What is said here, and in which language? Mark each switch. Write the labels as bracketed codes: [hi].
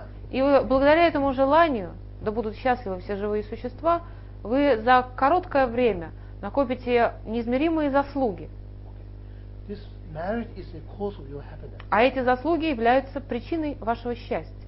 [ru] И благодаря этому желанию, да будут счастливы все живые существа, вы за короткое время накопите неизмеримые заслуги. [en] This merit is the cause of your happiness. [ru] А эти заслуги являются причиной вашего счастья.